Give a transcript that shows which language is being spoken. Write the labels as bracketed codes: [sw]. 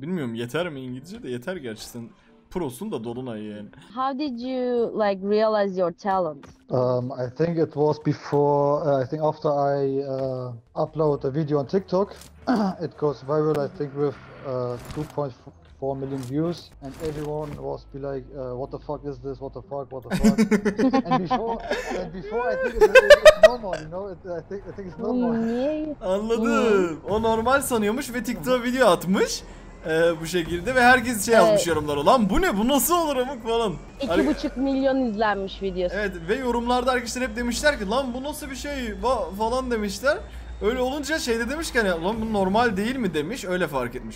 [tr] Bilmiyorum, yeter mi İngilizce de, yeter gerçi sen prosun da dolunay yani. [en] How did you like realize your talent? I think it was before I think after I upload a video on TikTok. It goes viral I think with 2.4 million views and everyone was be like what the fuck is this, what the fuck, what the fuck. and before I think it's normal, you know, I think it's normal. [tr] Anladım. O normal sanıyormuş ve TikTok video atmış. Bu şekilde ve herkes şey yazmış yorumlara, lan bu ne, bu nasıl olur amık falan. 2.5 milyon izlenmiş videosu. Evet ve yorumlarda arkadaşlar hep demişler ki lan bu nasıl bir şey falan demişler. Öyle olunca şey de demiş ki hani, lan bu normal değil mi demiş, öyle fark etmiş.